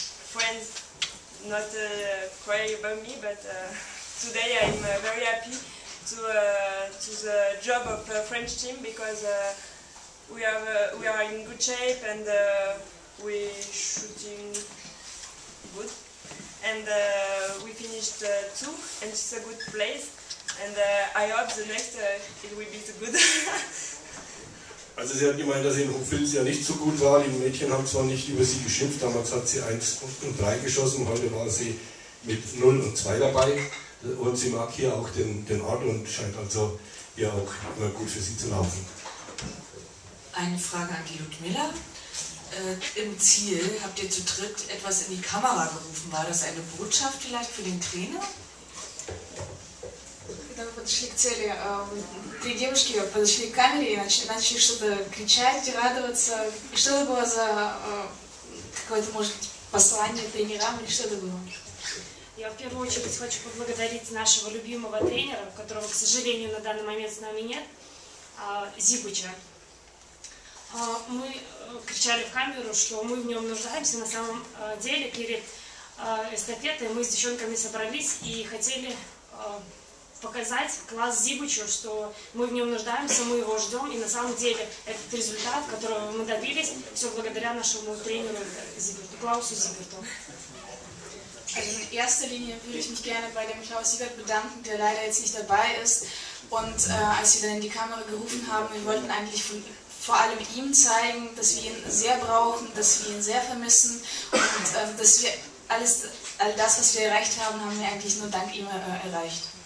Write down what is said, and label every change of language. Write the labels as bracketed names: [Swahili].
[English] friends not cry about me, but today I'm very happy to the job of the French team, because we are in good shape, and we shooting good, and we finished two, and it's a good place, and I hope the next it will be too good. [German] Also sie hat gemeint, dass sie in Hochfilzen ja nicht so gut war. Die Mädchen haben zwar nicht über sie geschimpft, damals hat sie 1 und 3 geschossen, heute war sie mit 0 und 2 dabei, und sie mag hier auch den Ort und scheint also ja auch immer gut für sie zu laufen. Eine Frage an die Ludmila. Im Ziel habt ihr zu dritt etwas in die Kamera gerufen. War das eine Botschaft vielleicht für den Trainer? [Russian] Когда мы подошли к цели, три девушки подошли к камере и начали что-то кричать, радоваться. И что это было за какое-то, может быть, послание тренерам или что это было? Я в первую очередь хочу поблагодарить нашего любимого тренера, которого, к сожалению, на данный момент с нами нет, Зибуча. Мы кричали в камеру, что мы в нем нуждаемся. На самом деле, перед эстафетой мы с девчонками собрались и хотели показать класс Зибучу, что мы в нем нуждаемся, мы его ждем. И на самом деле, этот результат, которого мы добились, все благодаря нашему тренеру Зиберту, Клаусу Зиберту. [German] Also in erster Linie würde ich mich gerne bei dem Klaus Siebert bedanken, der leider jetzt nicht dabei ist. Und als wir dann in die Kamera gerufen haben, wir wollten eigentlich von vor allem ihm zeigen, dass wir ihn sehr brauchen, dass wir ihn sehr vermissen und dass wir all das, was wir erreicht haben, haben wir eigentlich nur dank ihm erreicht.